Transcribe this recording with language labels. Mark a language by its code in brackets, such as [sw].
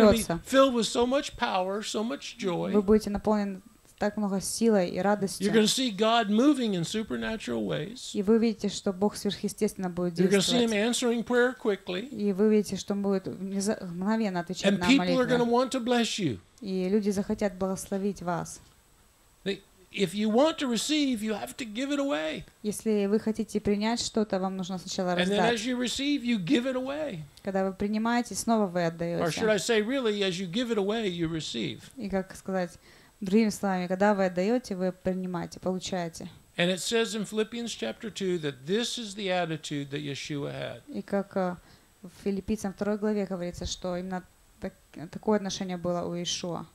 [en] You're going to be filled with so much power, so much joy. [ru] Вы будете наполнены так много силы и радости. [en] You're going to see God moving in supernatural ways. [ru] И вы увидите, что Бог сверхъестественно будет действовать. [en] You're going to see Him answering prayer quickly. [ru] И вы увидите, что Он будет мгновенно отвечать [en] and [ru] на молитвы. [en] And people are going to want to bless you. [ru] И люди захотят благословить вас. [en] If you want to receive, you have to give it away. [ru] Если вы хотите принять что-то, вам нужно сначала раздать. [en] And then as you receive, you give it away. [ru] Когда вы принимаете, снова вы отдаёте. [en] Or should I say, really, as you give it away, you receive. [ru] И как сказать, Другими словами, когда вы отдаете, вы принимаете, получаете. [en] And it says in Philippians chapter 2 that this is the attitude that Yeshua had. [ru] И как в Филиппийцам 2 главе говорится, что именно такое отношение было у Иешуа.